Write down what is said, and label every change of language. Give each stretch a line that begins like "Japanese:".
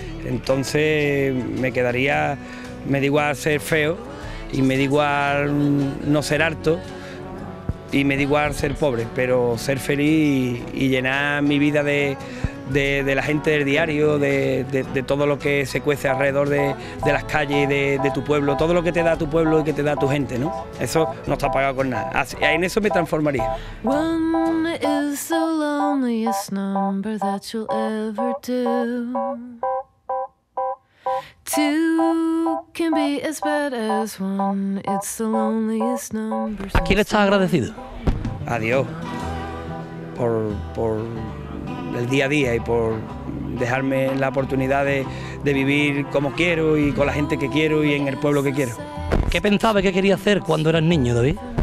Spanish: Entonces me quedaría, me da igual ser feo y me da igual no ser harto y me da igual ser pobre, pero ser feliz y llenar mi vida de la gente del diario, de todo lo que se cuece alrededor de las calles, de tu pueblo, todo lo que te da tu pueblo y que te da tu gente, ¿no? Eso no está pagado con nada. Así, en eso me transformaría.
English: One is the loneliest number that you'll ever do. Two can be as bad as one. It's the loneliest number.
Spanish: ¿A quién estás agradecido? A Dios. Por el día a día y por dejarme la oportunidad de vivir como quiero y con la gente que quiero y en el pueblo que quiero. ¿Qué pensabas que querías hacer cuando eras niño, David?